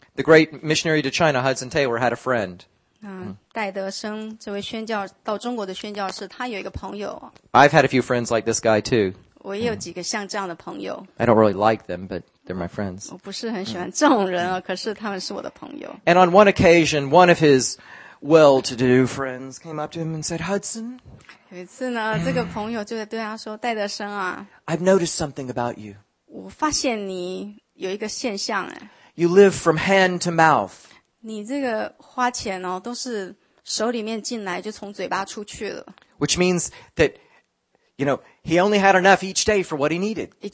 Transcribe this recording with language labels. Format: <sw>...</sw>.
<en>The great missionary to China, Hudson Taylor, had a friend.</en> <zh>戴德生, 这位宣教, 到中国的宣教士, 他有一个朋友。</zh> <en>I've had a few friends like this guy too.</en> <zh>我也有几个像这样的朋友。</zh> <en>I don't really like them, but they're my friends.</en> <zh>我不是很喜欢这种人啊, 可是他们是我的朋友。</zh> <en>And on one occasion, one of his well-to-do friends came up to him and said, Hudson,</en> <zh>有一次呢, 这个朋友就对他说, 戴德生啊,</zh> <en>I've noticed something about you.</en> <zh>我发现你有一个现象耶。</zh> <en>You live from hand to mouth.</en> <zh>你这个花钱哦, 都是手里面进来, 就从嘴巴出去了。</zh> <en>Which means that, you know, he only had enough each day for what he needed.</en>